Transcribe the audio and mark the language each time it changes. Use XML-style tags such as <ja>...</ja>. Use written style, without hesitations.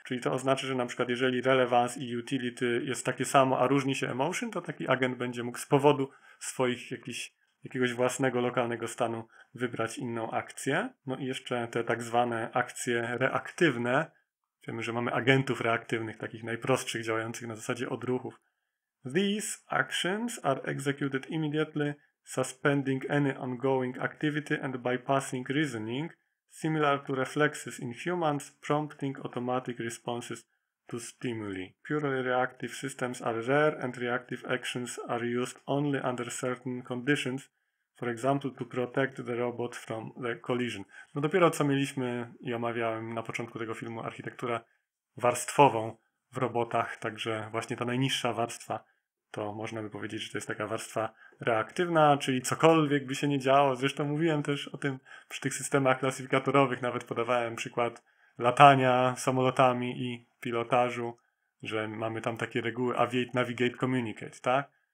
<pl>Czyli to oznacza, że na przykład jeżeli relevance i utility jest takie samo, a różni się emotion, to taki agent będzie mógł z powodu swoich jakiegoś własnego lokalnego stanu wybrać inną akcję. No i jeszcze te tak zwane akcje reaktywne. Wiemy, że mamy agentów reaktywnych, takich najprostszych, działających na zasadzie odruchów.</pl> <en>These actions are executed immediately, suspending any ongoing activity and bypassing reasoning, similar to reflexes in humans, prompting automatic responses to stimuli. Purely reactive systems are rare and reactive actions are used only under certain conditions, for example, to protect the robot from the collision.</en> <pl>No dopiero co mieliśmy i omawiałem na początku tego filmu architekturę warstwową w robotach, także właśnie ta najniższa warstwa, to można by powiedzieć, że to jest taka warstwa reaktywna, czyli cokolwiek by się nie działo. Zresztą mówiłem też o tym przy tych systemach klasyfikatorowych, nawet podawałem przykład latania samolotami i pilotażu, że mamy tam takie reguły aviate, navigate, communicate, tak?</pl>